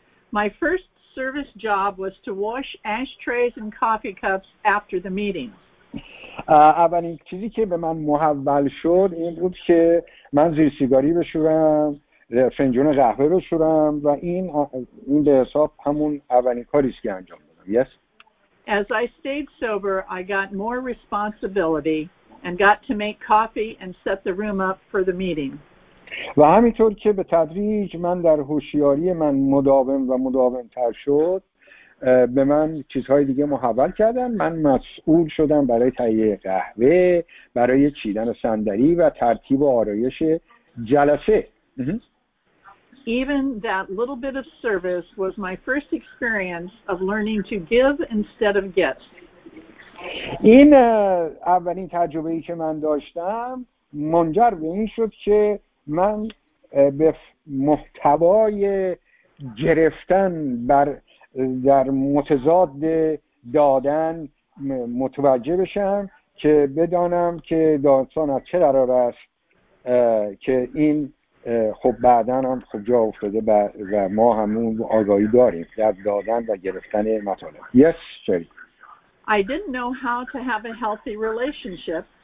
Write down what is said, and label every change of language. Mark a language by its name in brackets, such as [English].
[English] My first service job was to wash ashtrays and coffee cups after the meetings. [Persian] اولین چیزی که به من محول شد این بود که من زیر سیگاری بشورم، فنجون قهوه بشورم و این به حساب همون اولین کاری است که انجام دادم. [English] Yes. As I stayed sober, I got more responsibility and got to make coffee and set the room up for the meeting. [Persian] و همینطور که به تدریج من در هوشیاری من مداوم و مداوم تر شد، به من چیزهای دیگه محول کردن. من مسئول شدم برای تهیه قهوه، برای چیدن صندلی و ترتیب و آرایش جلسه. [English] Even that little bit of service was my first experience of learning to give instead of get. [Persian] این اولین تجربه‌ای که من داشتم منجر به این شد که من به محتوای گرفتن بر در متضاد دادن متوجه بشم که بدانم که داستان از چه قرار است که این خب بعدن هم خب جا افتاده و ما همون آگاهی داریم در دادن و گرفتن مطالب. [English] Yes, Sherry. I didn't know how to have a healthy relationship.